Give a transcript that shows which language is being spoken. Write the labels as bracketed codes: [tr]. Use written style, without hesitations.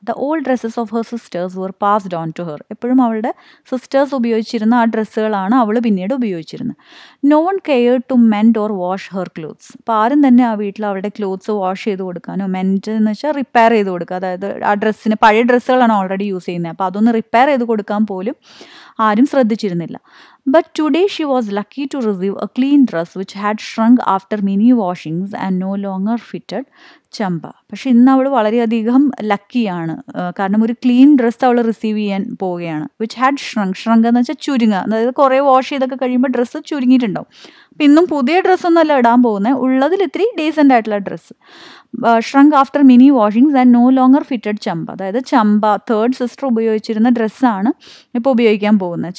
[en] The old dresses of her sisters were passed on to her. [ml] എപ്പോഴും അവളുടെ sisters ഉപയോഗിച്ചിരുന്ന ആ ഡ്രസ്സുകളാണ് അവൾ പിന്നീട് ഉപയോഗിച്ചിരുന്നത്. [en] No one cared to mend or wash her clothes. [ml] അപ്പോൾ ആരും തന്നെ ആ വീട്ടിൽ അവളുടെ ക്ലോത്ത്സ് വാഷ് ചെയ്ത് കൊടുക്കാനോ മെൻഡ് എന്ന് വെച്ചാൽ റിപ്പയർ ചെയ്ത് കൊടുക്കുക, അതായത് ആ ഡ്രസ്സിന് പഴയ ഡ്രസ്സുകളാണ് ഓൾറെഡി യൂസ് ചെയ്യുന്നത്, അപ്പോൾ അതൊന്ന് റിപ്പയർ ചെയ്ത് കൊടുക്കാൻ പോലും ആരും ശ്രദ്ധിച്ചിരുന്നില്ല. [en] But today she was lucky to receive a clean dress which had shrunk after many washings and no longer fitted Champa. [ml] പക്ഷെ ഇന്ന് അവൾ വളരെയധികം ലക്കിയാണ്, കാരണം ഒരു ക്ലീൻ ഡ്രസ്സ് അവൾ റിസീവ് ചെയ്യാൻ പോവുകയാണ്. [en] which had shrunk, [ml] ഷ്രങ്ക് എന്ന് വെച്ചാൽ ചുരുങ്ങ, അതായത് കുറേ വാഷ് ചെയ്തൊക്കെ കഴിയുമ്പോൾ ഡ്രസ്സ് ചുരുങ്ങിയിട്ടുണ്ടാവും. അപ്പം ഇന്നും പുതിയ ഡ്രസ്സൊന്നുമല്ല ഇടാൻ പോകുന്നത്, ഉള്ളതിൽ ഇത്തിരി ഡീസൻ്റ് ആയിട്ടുള്ള dress. [en] shrunk after many washings and no longer fitted Champa, [ml] അതായത് ചമ്പ തേർഡ് സിസ്റ്റർ ഉപയോഗിച്ചിരുന്ന ഡ്രസ്സാണ് ഇപ്പോൾ ഉപയോഗിക്കാൻ പോകുന്നത്.